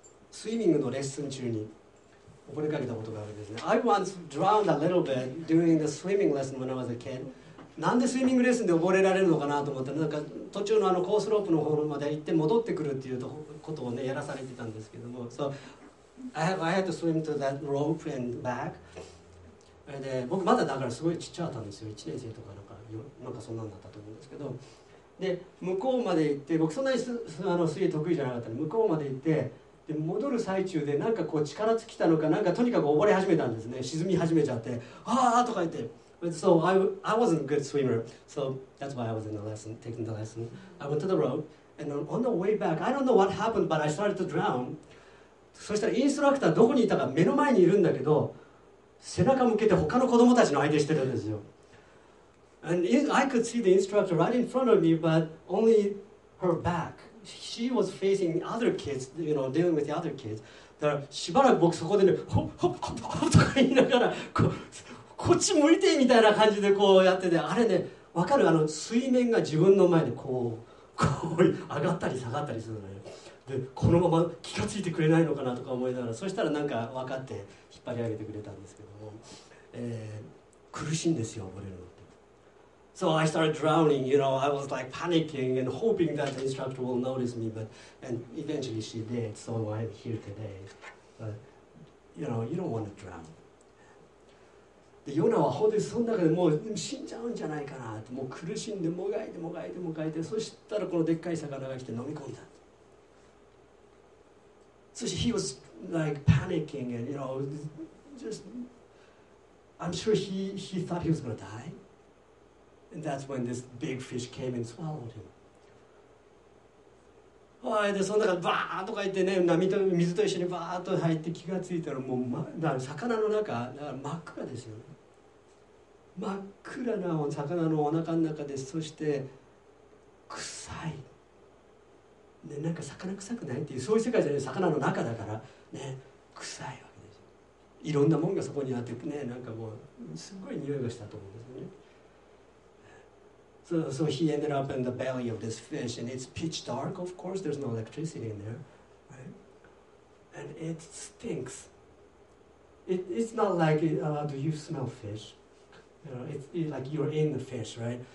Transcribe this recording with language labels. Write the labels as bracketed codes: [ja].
[ja] スイミングのレッスン中に溺れかけたことがあるんですね。 [en] I once drowned a little bit during the swimming lesson when I was a kid. [ja] なんでスイミングレッスンで溺れられるのかなと思ったら、なんか途中のコースロープの方まで行って戻ってくるっていうと。ことをね、やらされてたんですけども、 [en] so I had to swim to that rope and back. [ja] で、僕まだだからすごいちっちゃかったんですよ、1年生とかなんかそんなんだったと思うんですけど、で向こうまで行って、僕そんなに水泳得意じゃなかったので向こうまで行って、で戻る最中でなんかこう力尽きたのかなんかとにかく溺れ始めたんですね、沈み始めちゃって、ああとか言って、 [en] so I wasn't a good swimmer, so that's why I was in the lesson, taking the lesson. I went to the rope. And on the way back, I don't know what happened, but I started to drown. [ja] そしたらインストラクターどこにいたか目の前にいるんだけど、背中向けて他の子供たちの相手してたんですよ。 [en] And I could see the instructor right in front of me, but only her back. She was facing other kids, you know, dealing with the other kids. [ja] だからしばらく僕そこでね、ホッホッホッホッホッとか言いながら、こっち向いてみたいな感じでこうやってて、あれね、わかる？水面が自分の前でこう。上がったり下がったりするのよ。で、このまま気がついてくれないのかなとか思いながら、そしたらなんか分かって引っ張り上げてくれたんですけども、苦しいんですよ、溺れるのって。 [en] So I started drowning, you know, I was like panicking and hoping that the instructor will notice me, but eventually she did, so I'm here today. But You know, you don't want to drown. [ja] でヨナは本当にその中でもう死んじゃうんじゃないかなと、もう苦しんでもがいてもがいてもがいて、そしたらこのでっかい魚が来て飲み込んだ。そして [en] he was like panicking and you know, just, I'm sure he thought he was going to die. And that's when this big fish came and swallowed him. [ja] はい、でその中でバーッとか言ってね、波と水と一緒にバーッと入って気がついたらもう、ま、だから魚の中だから真っ暗ですよ、真っ暗な魚のお腹の中で、そして臭い、ね、なんか魚臭くないっていう、そういう世界じゃない、魚の中だからね、臭いわけですよ、いろんなもんがそこにあってね、なんかもうすごい匂いがしたと思うんですよね。 [en] So he ended up in the belly of this fish, and it's pitch dark, of course, there's no electricity in there, right? And it stinks. It's not like, do you smell fish? You know, it's like you're in the fish, right?